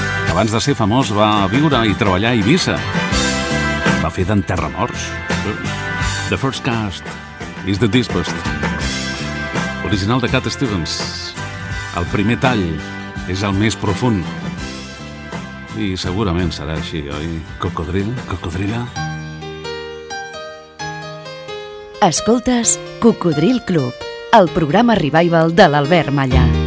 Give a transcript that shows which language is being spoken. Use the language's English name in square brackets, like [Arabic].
[Catalan] Abans de ser famós va viure i treballar a Eivissa. Va fer d'enterramorts. [English] The first cast is the deepest. [Catalan] Original de Cat Stevens. El primer tall és el més profund. I segurament serà així, oi? Cocodril, cocodrila. Escoltes Cocodril Club, el programa revival de l'Albert Malla.